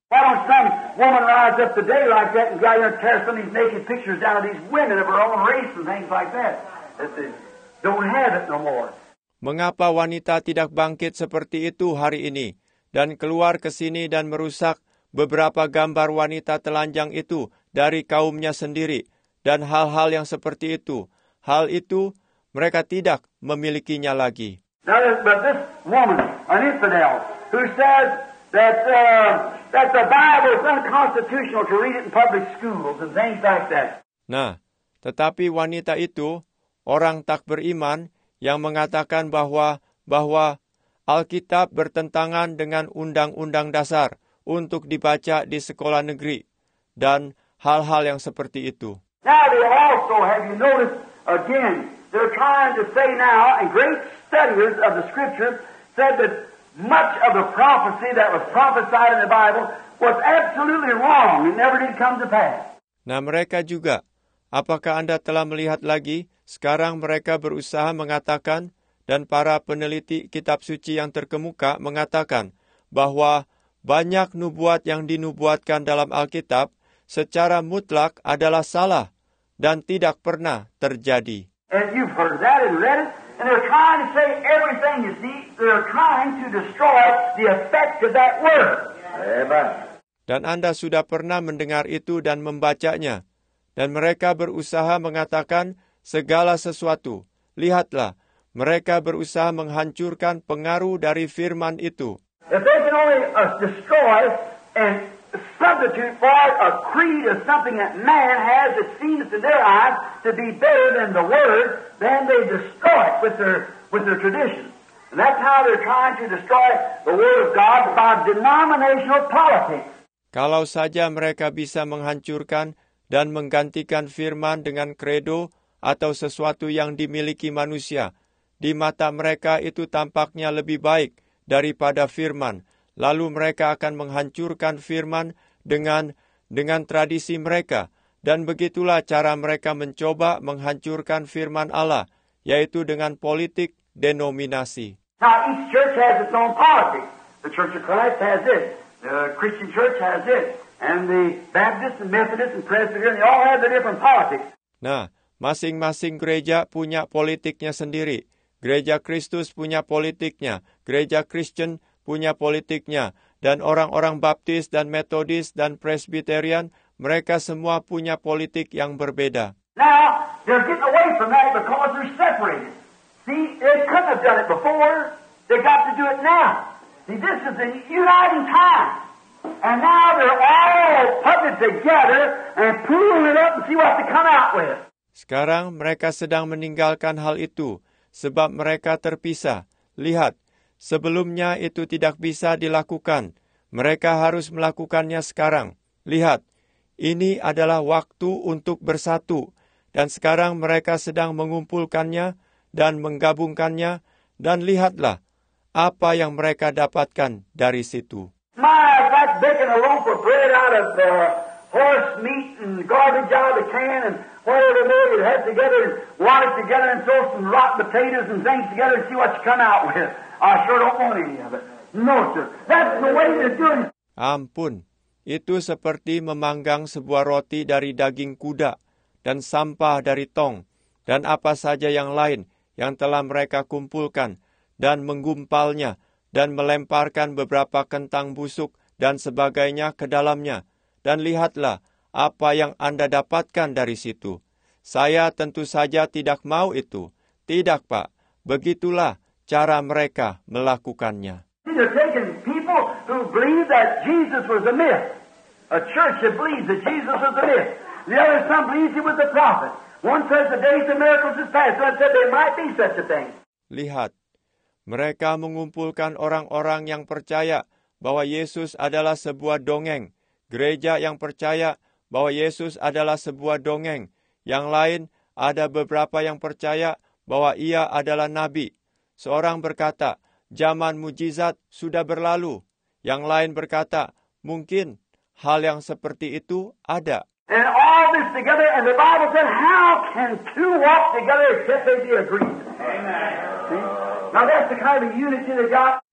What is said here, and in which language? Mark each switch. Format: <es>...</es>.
<en>Why don't some woman rise up today like that and go out here and tear some of these naked pictures down of these women of her own race and things like that? They don't have it no more.</en> <id>Mengapa wanita tidak bangkit seperti itu hari ini dan keluar ke sini dan merusak beberapa gambar wanita telanjang itu dari kaumnya sendiri dan hal-hal yang seperti itu? Hal itu mereka tidak memilikinya lagi.</id> <en>But this woman, an infidel, who says that that the Bible is unconstitutional to read it in public schools and things like that.</en> <id>Nah, tetapi wanita itu, orang tak beriman yang mengatakan bahwa Alkitab bertentangan dengan undang-undang dasar untuk dibaca di sekolah negeri dan hal-hal yang seperti itu.</id> <en>Now they also, have you noticed again, they're trying to say now, and great studies of the scriptures said that much of the prophecy that was prophesied in the Bible was absolutely wrong and never did come to pass.</en> <id>Nah, mereka juga, apakah Anda telah melihat lagi, sekarang mereka berusaha mengatakan, dan para peneliti kitab suci yang terkemuka mengatakan, bahwa banyak nubuat yang dinubuatkan dalam Alkitab secara mutlak adalah salah dan tidak pernah terjadi.</id> <en>And you've heard that and read it, and they're trying to say everything, you see, they're trying to destroy the effect of that word. Amen.</en> <id>Dan Anda sudah pernah mendengar itu dan membacanya, dan mereka berusaha mengatakan segala sesuatu. Lihatlah, mereka berusaha menghancurkan pengaruh dari firman itu.</id> <en>If they can only destroy and substitute for a creed or something that man has that seems to their eyes to be better than the word, then they destroy it with their tradition. And that's how they're trying to destroy the word of God by denominational politics.</en> <id>Kalau saja mereka bisa menghancurkan dan menggantikan firman dengan kredo atau sesuatu yang dimiliki manusia, di mata mereka itu tampaknya lebih baik daripada firman. Lalu mereka akan menghancurkan firman dengan tradisi mereka. Dan begitulah cara mereka mencoba menghancurkan firman Allah, yaitu dengan politik denominasi.</id> <en>Now, each church has its own politics. The Church of Christ has this. The Christian Church has this. And the Baptist and Methodist and Presbyterian, they all have their different politics.</en> <id>Nah, masing-masing gereja punya politiknya sendiri. Gereja Kristus punya politiknya, gereja Kristen punya politiknya, dan orang-orang Baptis dan Methodist dan Presbyterian, mereka semua punya politik yang berbeda.</id> <en>Now, they're getting away from that because they're separated. See, they couldn't have done it before, they got to do it now. See, this is a uniting time. And now they're all putting it together and pulling it up and see what they come out with.</en> <id>Sekarang mereka sedang meninggalkan hal itu, sebab mereka terpisah. Lihat, sebelumnya itu tidak bisa dilakukan. Mereka harus melakukannya sekarang. Lihat, ini adalah waktu untuk bersatu. Dan sekarang mereka sedang mengumpulkannya dan menggabungkannya. Dan lihatlah apa yang mereka dapatkan dari situ.</id> <en>My, that baking a loaf of bread out of the horse meat and garbage out of the can and whatever it is, head together and water together and throw some rotten potatoes and things together and see what you come out with. I sure don't want any of it. No, sir. That's the way they're doing it.</en> <id>Ampun. Itu seperti memanggang sebuah roti dari daging kuda dan sampah dari tong dan apa saja yang lain yang telah mereka kumpulkan dan menggumpalnya dan melemparkan beberapa kentang busuk dan sebagainya ke dalamnya. Dan lihatlah apa yang Anda dapatkan dari situ. Saya tentu saja tidak mau itu. Tidak, Pak. Begitulah cara mereka melakukannya.</id> <en>They're taking people who believe that Jesus was a myth. A church that believes that Jesus was a myth. The other some believes he was a prophet. One says the days of miracles is past. One said there might be such a thing.</en> <id>Lihat. Mereka mengumpulkan orang-orang yang percaya bahwa Yesus adalah sebuah dongeng. Gereja yang percaya bahwa Yesus adalah sebuah dongeng. Yang lain, ada beberapa yang percaya bahwa ia adalah nabi. Seorang berkata, zaman mujizat sudah berlalu. Yang lain berkata, mungkin hal yang seperti itu ada.</id> <en>And all this together, and the Bible said, how can two walk together except they be agreed? Amen. Now that's the kind of unity they got.</en>